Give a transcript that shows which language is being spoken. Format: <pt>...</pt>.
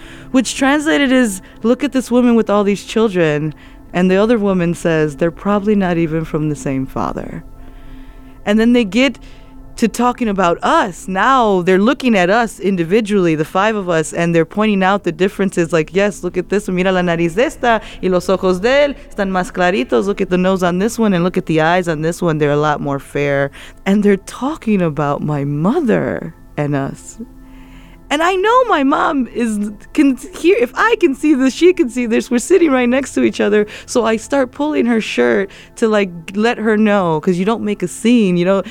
<en>which translated is, look at this woman with all these children. And the other woman says, they're probably not even from the same father. And then they get to talking about us. Now they're looking at us individually, the five of us, and they're pointing out the differences. Like, yes, look at this one.</en> <es>Mira la nariz de esta y los ojos de él están más claritos.</es> <en>Look at the nose on this one and look at the eyes on this one. They're a lot more fair. And they're talking about my mother and us. And I know my mom is can hear, if I can see this, she can see this. We're sitting right next to each other. So I start pulling her shirt to like let her know, because you don't make a scene, you know.</en>